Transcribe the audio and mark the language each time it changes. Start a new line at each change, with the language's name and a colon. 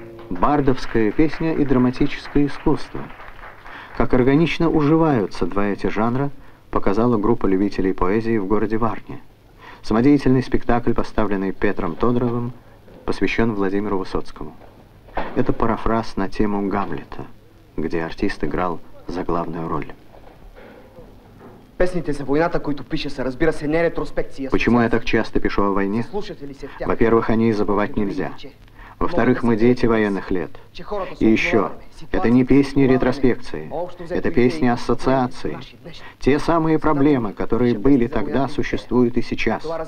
Russian: Бардовская песня и драматическое искусство. Как органично уживаются два эти жанра, показала группа любителей поэзии в городе Варне. Самодеятельный спектакль, поставленный Петром Тодоровым, посвящен Владимиру Высоцкому. Это парафраз на тему Гамлета, где артист играл за главную роль.
Bulgarian: Песните за войната, които пишется, разбира се, не ретроспекция.
Russian: Почему я так часто пишу о войне? Во-первых, о ней забывать нельзя. Во-вторых, мы дети военных лет. И еще, это не песни ретроспекции, это песни ассоциации. Те самые проблемы, которые были тогда, существуют и сейчас.